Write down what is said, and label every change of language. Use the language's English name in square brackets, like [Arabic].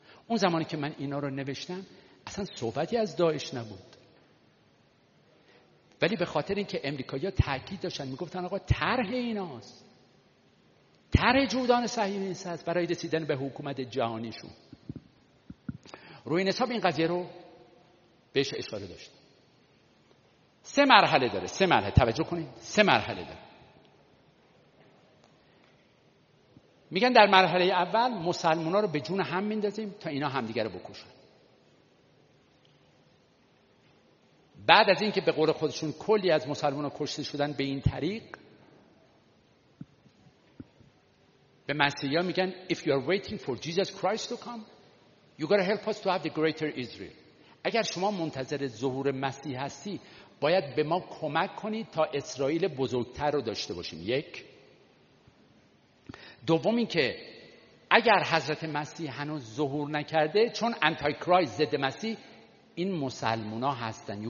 [Persian] اون زمانی که من اینا رو نوشتم اصلا صحبتی از داعش نبود، ولی به خاطر اینکه امریکایی‌ها تاکید داشتن میگفتن آقا طرح ایناست، طرح جودان صهیونیست است برای رسیدن به حکومت جهانیشون، روی حساب این قضیه رو بهش اشاره داشتن. 3 مرحله داره، 3 مرحله توجه کنید، 3 مرحله داره. میگن در مرحله اول مسلمان‌ها رو به جون هم میندازیم تا اینا همدیگر رو بکشن. بعد از اینکه به قول خودشون کلی از مسلمان‌ها کشته شدن به این طریق، به مسیحی‌ها میگن [English] If you are waiting for Jesus Christ to come, you gotta help us to have the greater Israel. [Persian] اگر شما منتظر ظهور مسیح هستی باید به ما کمک کنید تا اسرائیل بزرگتر رو داشته باشیم. یک. دوم این که اگر حضرت مسیح هنوز ظهور نکرده، چون انتای کرایست ضد مسیح، این مسلمونا هستن.